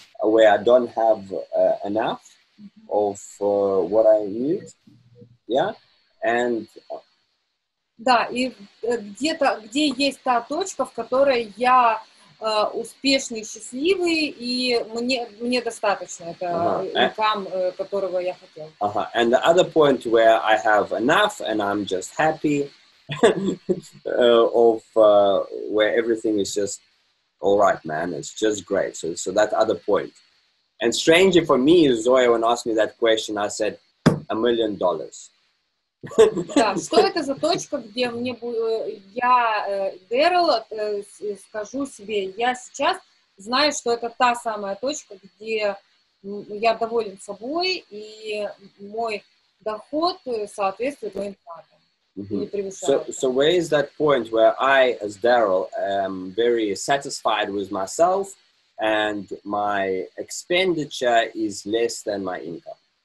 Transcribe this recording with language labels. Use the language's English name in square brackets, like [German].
[English] where I don't have enough of what I need. Yeah, and [Russian] да, и где-то где есть та точка, в которой я успешный, счастливый, и мне достаточно это income, которого я хотел. Uh-huh. [English] And the other point where I have enough and I'm just happy of where everything is just all right, man, it's just great. So that other point. And strangely for me, Zoya, when asked me that question, I said $1 million. [Russian] Да, что это за точка, где мне я, Дэрил, скажу себе, я сейчас знаю, что это та самая точка, где я доволен собой, и мой доход соответствует моим планам. [English] So where is that point where I, as Дэрил, am very satisfied with myself, and my expenditure is less than my income?